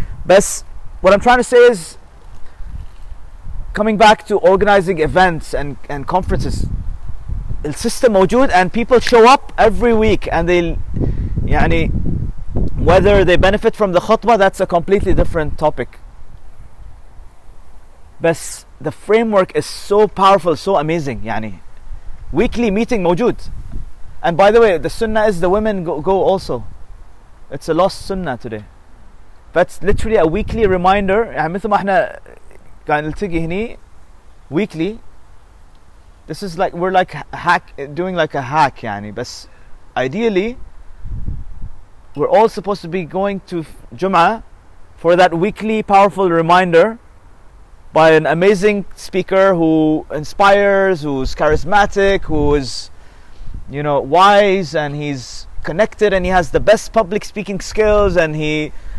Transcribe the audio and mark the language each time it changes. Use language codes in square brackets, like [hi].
[en] But what I'm trying to say is, coming back to organizing events and conferences, the system موجود and people show up every week, and they, يعني, whether they benefit from the khutbah, that's a completely different topic. But the framework is so powerful, so amazing. يعني, weekly meeting موجود. And by the way, the sunnah is the women go also. It's a lost sunnah today. That's literally a weekly reminder. [ar] يعني مثل ما احنا قاعد نلتقي هني weekly. [en] This is like, we're like doing a hack, yani. But ideally, we're all supposed to be going to Jum'ah for that weekly powerful reminder by an amazing speaker who inspires, who's charismatic, who's, you know, wise, and he's connected, and he has the best public speaking skills, and he